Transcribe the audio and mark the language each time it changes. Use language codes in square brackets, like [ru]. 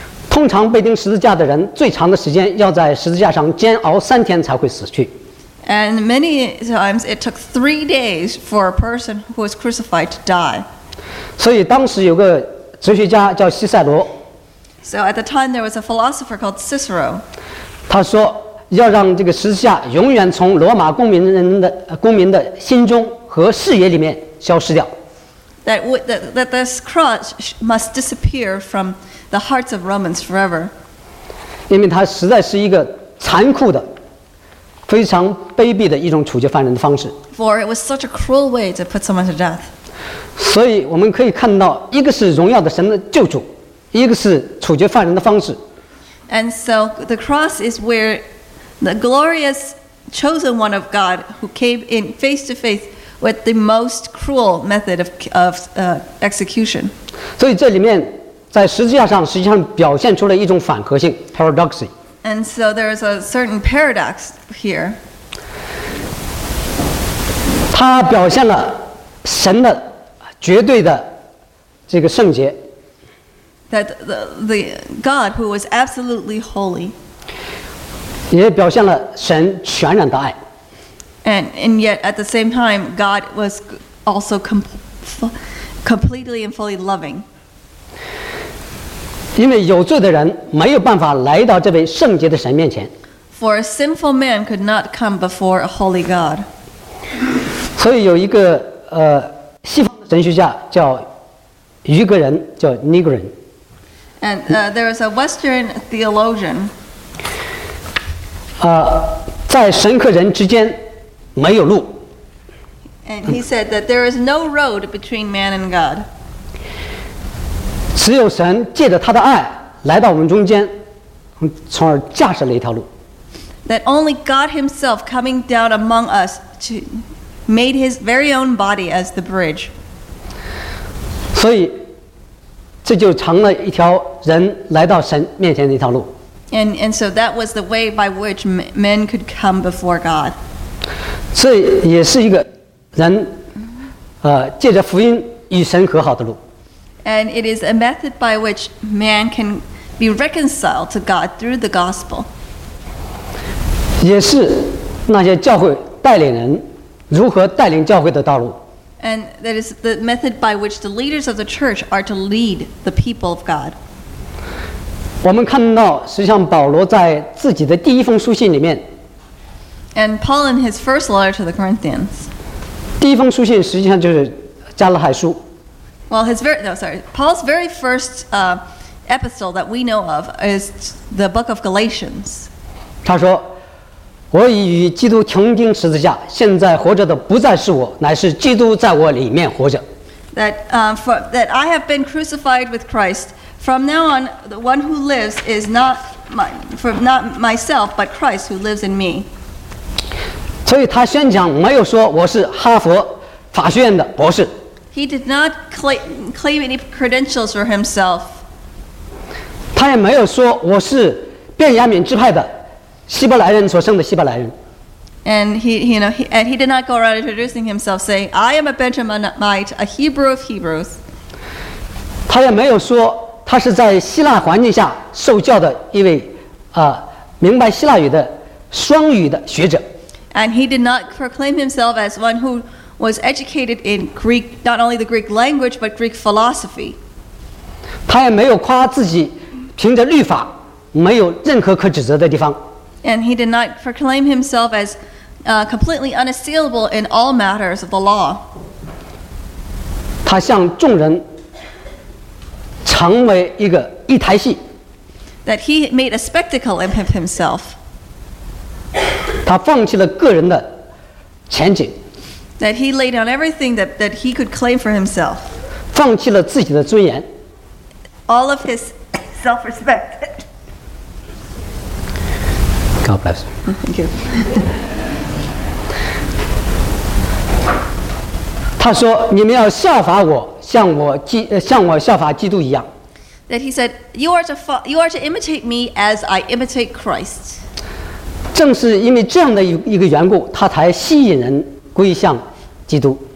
[zh] 通常被钉十字架的人最长的时间要在十字架上煎熬3天才会死去。 [en] And many times it took 3 days for a person who was crucified to die. [zh] 所以当时有个哲学家叫西塞罗。 [en] So at the time there was a philosopher called Cicero. [zh] 他说要让这个十字架永远从罗马公民的心中和视野里面消失掉。 [en] That this cross must disappear from the hearts of Romans forever. [zh] 因为它实在是一个残酷的、非常卑鄙的一种处决犯人的方式。 [en] For it was such a cruel way to put someone to death. [zh] 所以我们可以看到，一个是荣耀的神的救主，一个是处决犯人的方式。 [en] And so the cross is where the glorious chosen one of God who came in face to face. With the most cruel method of execution. [zh] 所以这里面在十字架上实际上表现出了一种反合性 paradoxy. [en] And so there is a certain paradox here. [zh] 它表现了神的绝对的这个圣洁。 [en] That the God who was absolutely holy. [zh] 也表现了神全然的爱。 [en] And yet at the same time, God was also completely and fully loving. [zh] 因为有罪的人没有办法来到这位圣洁的神面前。 [en] For a sinful man could not come before a holy God. [zh] 所以有一个西方的神学家叫余格人，叫尼格人。 [en] And there is a Western theologian. [zh] 在神和人之间没有路。 [en] And he said that there is no road between man and God. [zh] 只有神借着他的爱来到我们中间，从而架设了一条路。 [en] That only God himself coming down among us to made his very own body as the bridge. [zh] 所以这就成了一条人来到神面前的一条路。 [en] And so that was the way by which men could come before God. [zh] 这也是一个人借着福音与神和好的路。 [en] And it is a method by which man can be reconciled to God through the gospel. [zh] 也是那些教会带领人如何带领教会的道路。 [en] And that is the method by which the leaders of the church are to lead the people of God. [zh] 我们看到实际上保罗在自己的第一封书信里面， [en] And Paul in his first letter to the Corinthians. [zh] 第一封书信实际上就是加拉太书。 [en] Well, Paul's very first epistle that we know of is the book of Galatians. [zh] 他说我已与基督同钉十字架，现在活着的不再是我，乃是基督在我里面活着。 [en] That I have been crucified with Christ. From now on, the one who lives is not myself, but Christ who lives in me. [zh] 所以他宣讲没有说我是哈佛法学院的博士。 [en] He did not claim any credentials for himself. [zh] 他也没有说我是便雅悯支派的。希伯来人所生的希伯来人。 [en] And he did not go around introducing himself, saying, "I am a Benjaminite, a Hebrew of Hebrews." [zh] 他也没有说他是在希腊环境下受教的一位明白希腊语的双语的学者。 [en] And he did not proclaim himself as one who was educated in Greek, not only the Greek language but Greek philosophy. [zh] 他也没有夸自己凭着律法没有任何可指责的地方。 [en] And he did not proclaim himself as completely unassailable in all matters of the law. [zh] 他向众人成为一个一台戏。 [en] That he made a spectacle of himself. [zh] 他放弃了个人的前景。 [en] That he laid down everything that he could claim for himself. [zh] 放弃了自己的尊严。 [en] All of his self-respect. God bless. Thank you. [zh] 他说：“你们要效法我，像我效法基督一样。” [en] That he said, you are to imitate me as I imitate Christ. [zh] 正是因为这样的一个缘故，他才吸引人归向基督。